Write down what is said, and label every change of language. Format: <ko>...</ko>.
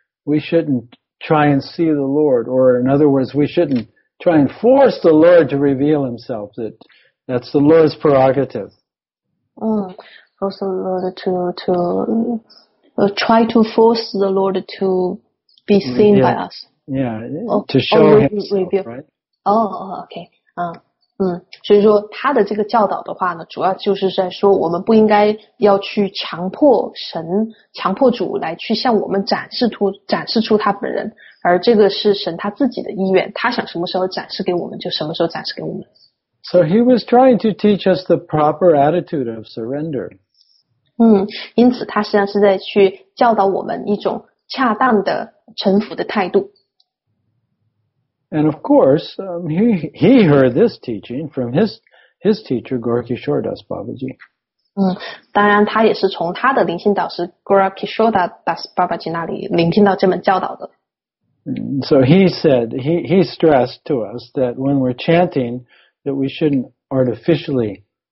<en>We shouldn't try and see the Lord, or in other words, we shouldn't try and force the Lord to reveal himself. That's the Lord's prerogative. Also the Lord to try to force the Lord to be seen by us. Yeah, to show himself, right? Okay.</en> <zh>所以说他的这个教导的话呢，主要就是在说我们不应该要去强迫神、强迫主来去向我们展示出他本人，而这个是神他自己的意愿，他想什么时候展示给我们就什么时候展示给我们。</zh> <en>So he was trying to teach us the proper attitude of surrender.</en> <zh>因此他实际上是在去教导我们一种恰当的臣服的态度。</zh> <en>And of course, he heard this teaching from his teacher, Gaurakishordas Babaji.</en> <zh>当然他也是从他的灵性导师 Gaurakishordas Babaji 那里聆听到这门教导的。</zh> <en>So he said, he stressed to us that when we're chanting, that we shouldn't artificially</en>